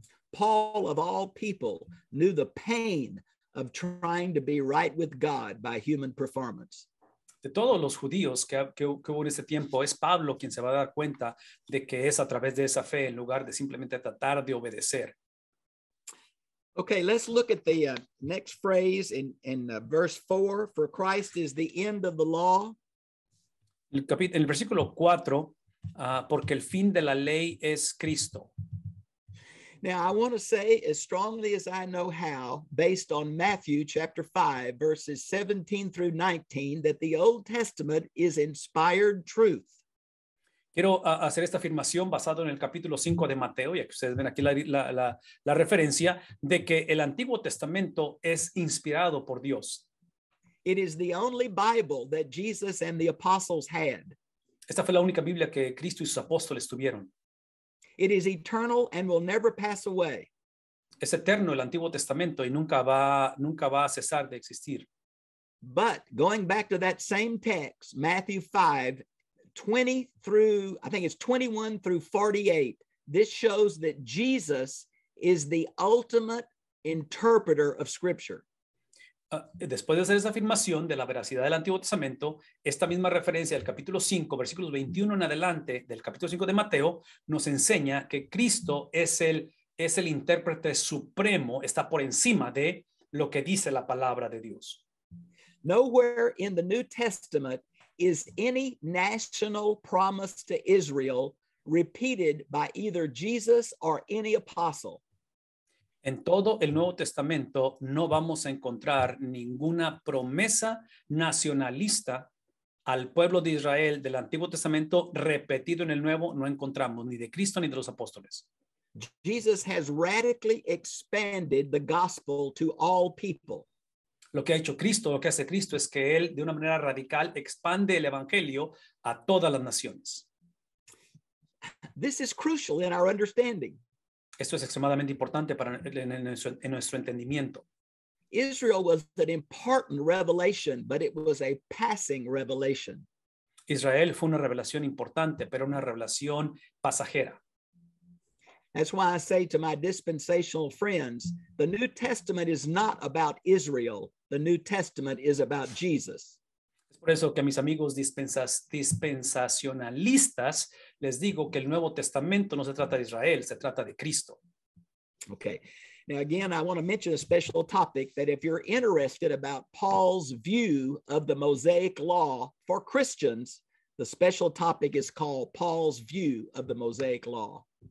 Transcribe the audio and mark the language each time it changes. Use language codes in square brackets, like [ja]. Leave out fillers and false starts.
[en] Paul, of all people, knew the pain of trying to be right with God by human performance. [es] De todos los judíos que hubo en ese tiempo, es Pablo quien se va a dar cuenta de que es a través de esa fe en lugar de simplemente tratar de obedecer. [en] Okay, let's look at the next phrase in verse 4. For Christ is the end of the law. [es] En el versículo 4, porque el fin de la ley es Cristo. [en] Now, I want to say as strongly as I know how, based on Matthew chapter 5, verses 17 through 19, that the Old Testament is inspired truth. [es] Quiero hacer esta afirmación basado en el capítulo 5 de Mateo, ya que ustedes ven aquí la referencia, de que el Antiguo Testamento es inspirado por Dios. [en] It is the only Bible that Jesus and the apostles had. [es] Esta fue la única Biblia que Cristo y sus apóstoles tuvieron. [en] It is eternal and will never pass away. [es] Es eterno el Antiguo Testamento y nunca va a cesar de existir. [en] But going back to that same text, Matthew 5, 20 through, I think it's 21 through 48, this shows that Jesus is the ultimate interpreter of Scripture. [es] Después de hacer esa afirmación de la veracidad del Antiguo Testamento, esta misma referencia del capítulo 5, versículos 21 en adelante, del capítulo 5 de Mateo, nos enseña que Cristo es el intérprete supremo, está por encima de lo que dice la palabra de Dios. [en] Nowhere in the New Testament is any national promise to Israel repeated by either Jesus or any apostle. [es] En todo el Nuevo Testamento no vamos a encontrar ninguna promesa nacionalista al pueblo de Israel del Antiguo Testamento repetido en el Nuevo, no encontramos ni de Cristo ni de los apóstoles. [en] Jesus has radically expanded the gospel to all people. [es] Lo que ha hecho Cristo, lo que hace Cristo es que él de una manera radical expande el evangelio a todas las naciones. [en] This is crucial in our understanding. [es] Esto es extremadamente importante para en nuestro entendimiento. [en] Israel was an important revelation, but it was a passing revelation. [es] Israel fue una revelación importante, pero una revelación pasajera. [en] That's why I say to my dispensational friends, the New Testament is not about Israel. The New Testament is about Jesus. [es] Es por eso que a mis amigos dispensacionalistas les digo que el Nuevo Testamento no se trata de Israel, se trata de Cristo. [en] Okay. Now again, I want to mention a special topic that if you're interested about Paul's view of the Mosaic Law for Christians, the special topic is called Paul's View of the Mosaic Law.